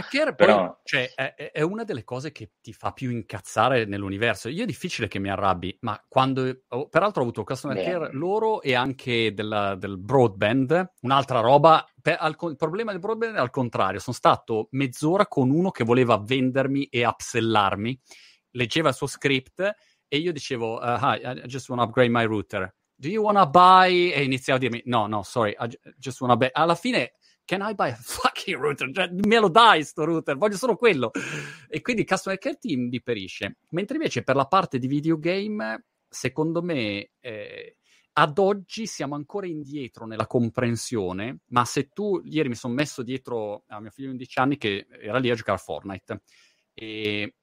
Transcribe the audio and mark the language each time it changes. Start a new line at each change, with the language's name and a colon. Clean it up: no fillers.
Italian: Care, però poi, cioè, è una delle cose che ti fa più incazzare nell'universo. Io è difficile che mi arrabbi, ma quando... peraltro ho avuto customer care loro e anche del broadband, un'altra roba. Il problema del broadband è al contrario. Sono stato mezz'ora con uno che voleva vendermi e upsellarmi. Leggeva il suo script... E io dicevo,
English: hi, I just want to upgrade my router. Do you want to buy?
Italian: E iniziavo a dirmi,
English: no, sorry, I just want to buy.
Italian: Alla fine,
English: can I buy a fucking router?
Italian: Me lo dai sto router, voglio solo quello. E quindi customer care team differisce. Mentre invece per la parte di videogame, secondo me, ad oggi siamo ancora indietro nella comprensione. Ma se tu, ieri mi sono messo dietro a mio figlio di 11 anni che era lì a giocare a Fortnite. E...